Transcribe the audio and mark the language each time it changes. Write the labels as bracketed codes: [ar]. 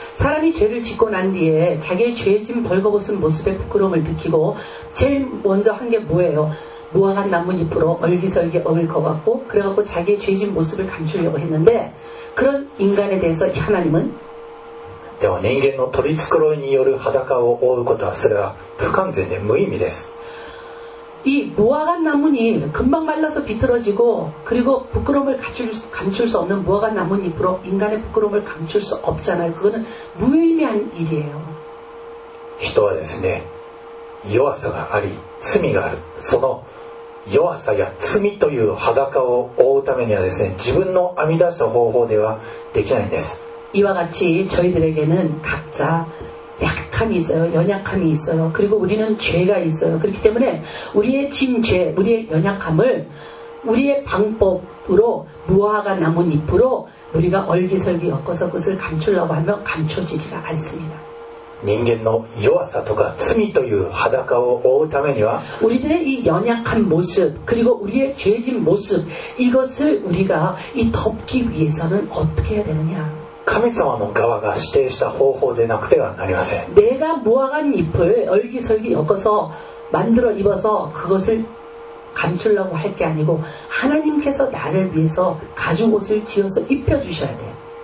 [ko] 사람이 죄를 짓고 난 뒤에 자기의 죄진 벌거벗은 모습에 부끄러움을 느끼고 제일 먼저 한 게 뭐예요? 무화과 나뭇잎으로 얼기설기 얼거갖고 그래갖고 자기의 죄진 모습을 감추려고 했는데 그런 인간에 대해서 하나님은 [ja] でも人間の取り繕いによる裸を覆うことはそれは不完全で無意味です。 [ko] 이 무화과 나뭇잎 금방 말라서 비틀어지고 그리고 부끄러움을 감출 수 없는 무화과 나뭇잎으로 인간의 부끄러움을 감출 수 없잖아요. 그거는 무의미한 일이에요. [ja] 人はですね弱さがあり罪がある。その弱さや罪という裸を覆うためにはですね自分の編み出した方法ではできないんです。 [ko] 이와 같이 저희들에게는 각자 약함이 있어요. 연약함이 있어요. 그리고 우리는 죄가 있어요. 그렇기 때문에 우리의 짐죄, 우리의 연약함을 우리의 방법으로 무화과 나뭇잎으로 우리가 얼기설기 엮어서 그것을 감추려고 하면 감춰지지가 않습니다. [ja] 人間の弱さとか罪という裸を覆うためには [ko] 우리들의 이 연약한 모습 그리고 우리의 죄진 모습 이것을 우리가 이 덮기 위해서는 어떻게 해야 되느냐? [ja] 神様の側が指定した方法でなくてはなりません。 [ko] 내가 무화과잎을 얼기설기 엮어서 만들어 입어서 그것을 감추려고 할 게 아니고 하나님께서 나를 위해서 가죽옷을 지어서 입혀 주셔야 돼요.